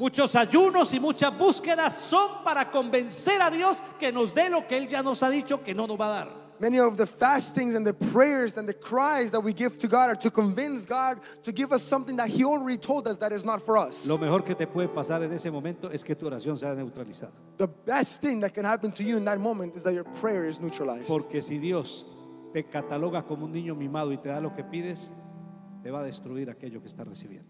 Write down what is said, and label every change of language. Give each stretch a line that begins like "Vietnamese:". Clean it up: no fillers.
Spanish: Muchos ayunos y muchas búsquedas son para convencer a Dios que nos dé lo que Él ya nos ha dicho que no nos va a dar.
English: Many of the fastings and the prayers and the cries that we give to God are to convince God to give us something that He already told us that is not for us.
Spanish: Lo mejor que te puede pasar en ese momento es que tu oración sea neutralizada.
English: The best thing that can happen to you in that moment is that your prayer is neutralized.
Spanish: Porque si Dios te cataloga como un niño mimado y te da lo que pides, te va a destruir aquello que estás recibiendo.